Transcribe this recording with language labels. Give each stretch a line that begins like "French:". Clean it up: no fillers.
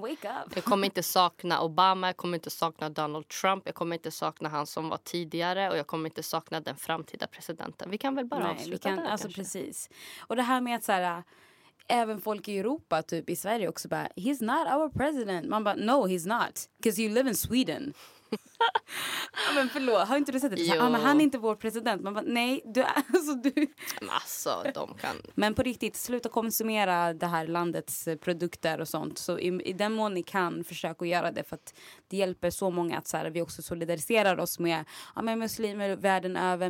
English: Wake up!
Swedish: Jag kommer inte sakna Obama, jag kommer inte sakna Donald Trump, jag kommer inte sakna han som var tidigare och jag kommer inte sakna den framtida presidenten. Vi kan väl bara avsluta där, alltså precis. Och det här med att så här, även folk i Europa, typ i Sverige också, bara,
English: he's not our president.
Swedish: Man bara,
English: no he's not, because you live in Sweden.
Swedish: Ja, men förlåt, har inte du sett det? Ja, men han är inte vår president. Man bara, nej, du är alltså du. Alltså, de kan. Men på riktigt, sluta konsumera det här landets produkter och sånt. Så i den mån ni kan, försöka göra det. För att det hjälper så många att så här, vi också solidariserar oss med, ja, med muslimer världen över.